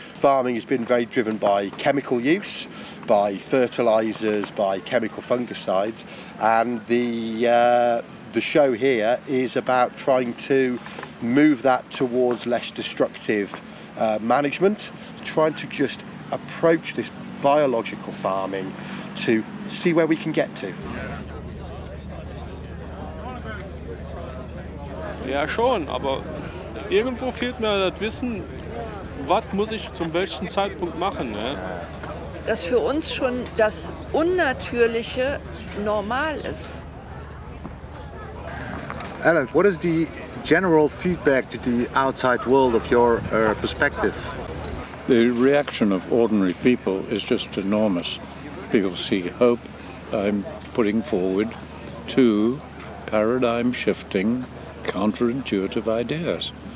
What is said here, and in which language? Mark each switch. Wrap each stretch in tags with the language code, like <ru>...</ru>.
<en>Farming has been very driven by chemical use, by fertilizers, by chemical fungicides, and the show here is about trying to move that towards less destructive management, trying to just approach this biological farming to see where we can get to.</en> <de>Ja schon, aber irgendwo fehlt mir das Wissen, was muss ich zum welchen Zeitpunkt machen. Ne? Dass für uns schon das Unnatürliche normal ist.</de> <en>Alan, what is the general feedback to the outside world of your perspective? The reaction of ordinary people is just enormous. People see hope. I'm putting forward two paradigm-shifting, counterintuitive ideas.</en>